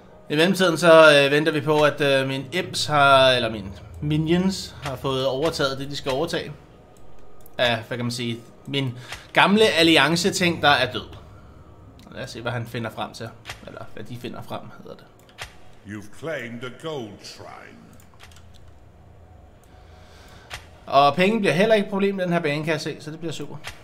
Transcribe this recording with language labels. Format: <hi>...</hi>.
<da>I mellemtiden så venter vi på, at mine minions har fået overtaget det, de skal overtage. Af, hvad kan man sige, min gamle alliance-ting, der er død. Lad os se, hvad han finder frem til. Eller, hvad de finder frem, hedder det.</da> <en>You've claimed a gold shrine.</en> <da>Og penge bliver heller ikke et problem med den her bane, kan jeg se, så det bliver super.</da>